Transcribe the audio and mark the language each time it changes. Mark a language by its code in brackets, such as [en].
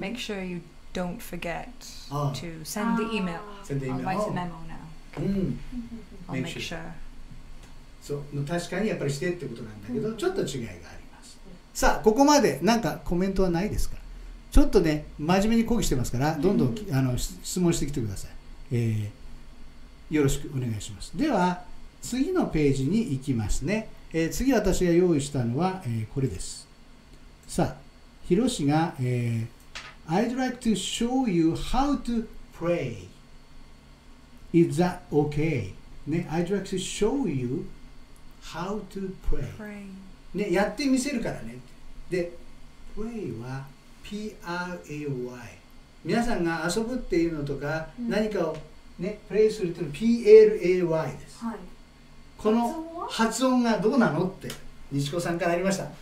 [en] Make sure you don't forget to send the email. Send the email. I'll write a memo now. Make sure. [ja] そう、確かにやっぱりしてってことなんだけど、ちょっと違いがある。さあここまで何かコメントはないですか。ちょっとね真面目に講義してますから、どんどん質問してきてください、よろしくお願いします。では次のページに行きますね。次私が用意したのは、これです。さあ、ヒロシが、 [en] I'd like to show you how to pray. Is that okay?、 [ja] ね、 [en] I'd like to show you how to pray. pray.、 [ja] ね、やってみせるからね。で、pray は P-R-A-Y。皆さんが遊ぶっていうのとか、うん、何かを、ね、pray するっていうのは P-L-A-Y です。はい、この発音がどうなのって西子さんからありました。